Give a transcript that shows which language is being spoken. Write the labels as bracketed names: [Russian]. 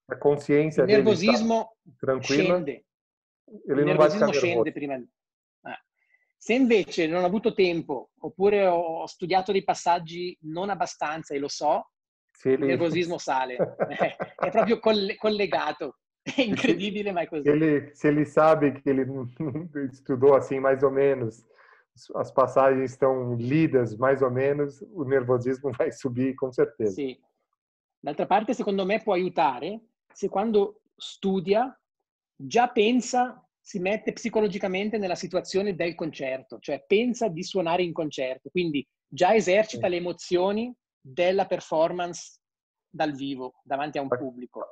[Italian] la coscienza, il nervosismo scende. [Portuguese] Ele [Italian] il nervosismo scende prima. Se invece non ho avuto tempo, oppure ho studiato dei passaggi non abbastanza e lo so, il nervosismo sale. È proprio collegato. È incredibile, ma è così. [Portuguese] Se ele sabe che ele estudou assim mais ou menos, as passagens estão lidas mais ou menos, o nervosismo vai subir com certeza. [Italian] Sì. D'altra parte, secondo me può aiutare se quando studia già pensa, si mette psicologicamente nella situazione del concerto, cioè pensa di suonare in concerto, quindi già esercita le emozioni della performance dal vivo, davanti a un pubblico.